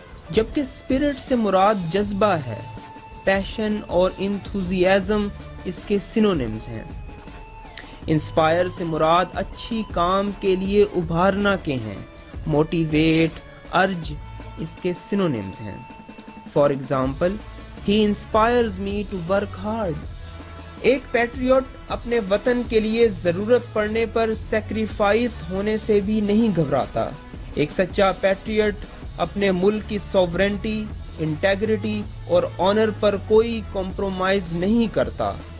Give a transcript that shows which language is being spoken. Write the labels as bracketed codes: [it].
[ur] جبکہ اسپرٹ سے مراد جذبہ ہے. پیشن اور انتھوزیازم اس کے سینونیمز ہیں. انسپائر سے مراد اچھی کام کے لیے ابھارنا کے ہیں. موٹیویٹ، ارج اس کے سینونیمز ہیں. [en] For example, He inspires me to work hard. [ur] ایک پیٹریوٹ اپنے وطن کے لیے ضرورت پڑنے پر سیکریفائس ہونے سے بھی نہیں گھبراتا. ایک سچا پیٹریوٹ اپنے ملک کی سوورنٹی، انٹیگریٹی اور آنر پر کوئی کمپرومائز نہیں کرتا.